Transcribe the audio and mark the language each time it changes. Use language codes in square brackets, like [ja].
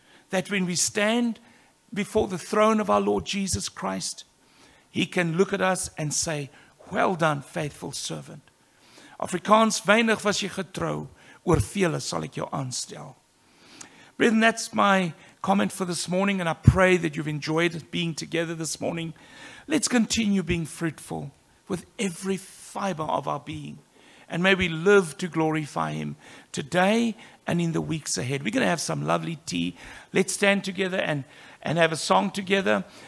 [en] That when we stand before the throne of our Lord Jesus Christ, he can look at us and say, well done, faithful servant. [af] Afrikaans, weinig was jy getrou, oor vele sal ek jou aanstel. [en] Brethren, that's my comment for this morning, and I pray that you've enjoyed being together this morning. Let's continue being fruitful with every fiber of our being. And may we live to glorify him today and in the weeks ahead. We're going to have some lovely tea. Let's stand together and have a song together.